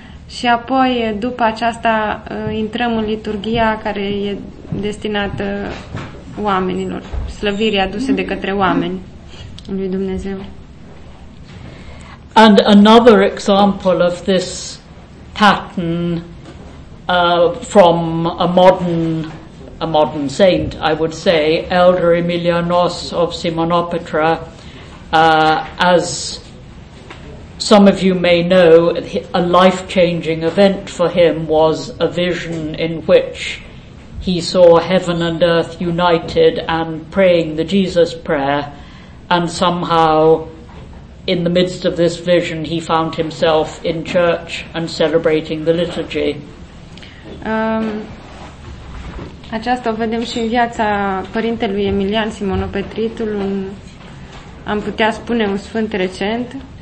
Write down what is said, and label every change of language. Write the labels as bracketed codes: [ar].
[ro] Și apoi, după aceasta, intrăm în liturgia care e destinată oamenilor, slăvirii aduse de către oameni lui Dumnezeu. [en] And another example of this pattern from a modern saint, I would say, Elder Emilianos of Simonopetra. As some of you may know, a life-changing event for him was a vision in which he saw heaven and earth united and praying the Jesus prayer, and somehow in the midst of this vision he found himself in church and celebrating the liturgy. [ro] Aceasta o vedem și în viața părintelui Emilian Simonopetritul, am putea spune un sfânt recent,